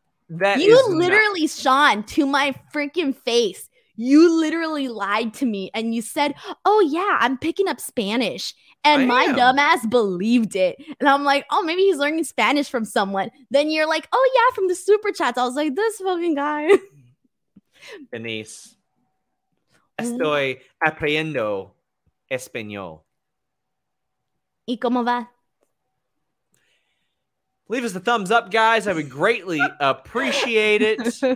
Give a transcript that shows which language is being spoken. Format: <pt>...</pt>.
<en>Sean, to my freaking face, you literally lied to me and you said, oh, yeah, I'm picking up Spanish. And my dumbass believed it. And I'm like, oh, maybe he's learning Spanish from someone. Then you're like, oh, yeah, from the super chats. I was like, this fucking guy.</en> <es>Denise, estoy aprendiendo español. ¿Y cómo va?</es> <en>Leave us a thumbs up, guys. I would greatly appreciate it.</en>